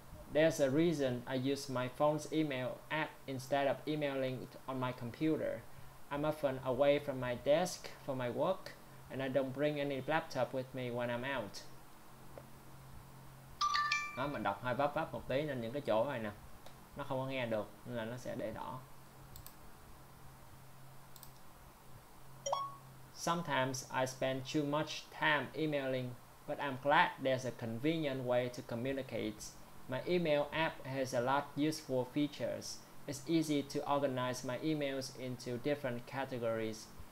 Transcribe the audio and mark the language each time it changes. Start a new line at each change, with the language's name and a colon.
English: There's a reason I use my phone's email app instead of emailing it on my computer. I'm often away from my desk for my work, and I don't bring any laptop with me when I'm out.
Vietnamese: Đó, mình đọc hơi vấp vấp một tí nên những cái chỗ này nè, nó không có nghe được nên là nó sẽ để đỏ.
English: Sometimes I spend too much time emailing, but I'm glad there's a convenient way to communicate. My email app has a lot useful features. It's easy to organize my emails into different categories.